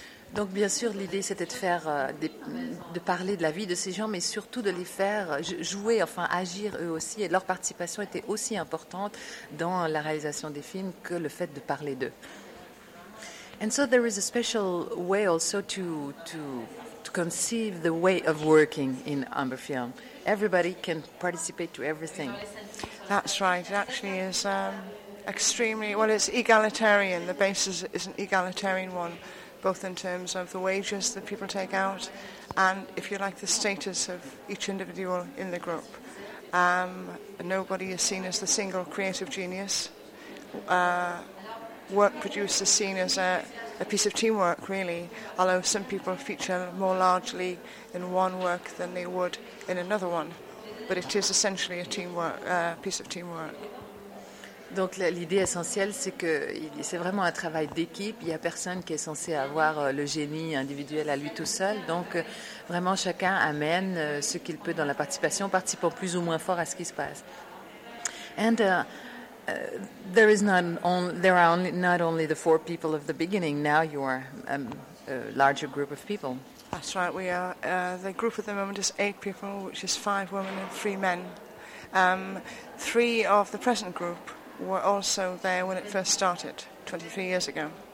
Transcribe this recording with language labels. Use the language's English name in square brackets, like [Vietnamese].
[French] Donc bien sûr l'idée c'était de faire de parler de la vie de ces gens, mais surtout de les faire jouer, enfin agir eux aussi, et leur participation était aussi importante dans la réalisation des films que le fait de parler d'eux. [English] And so there is a special way also to conceive the way of working in Humber Film. Everybody can participate to everything. That's right. It actually is extremely, well, it's egalitarian. The basis is an egalitarian one, both in terms of the wages that people take out and, if you like, the status of each individual in the group. Nobody is seen as the single creative genius. Work produced is seen as a piece of teamwork, really, although some people feature more largely in one work than they would in another one. But it is essentially a teamwork, piece of teamwork. [French] Donc l'idée essentielle, c'est que c'est vraiment un travail d'équipe. Il n'y a personne qui est censé avoir le génie individuel à lui tout seul. Donc vraiment, chacun amène ce qu'il peut dans la participation, participant plus ou moins fort à ce qui se passe. [English] And there is not only, there are only, not only the 4 people of the beginning, now you are a larger group of people. That's right, we are. The group at the moment is 8 people, which is 5 women and 3 men. 3 of the present group were also there when it first started, 23 years ago.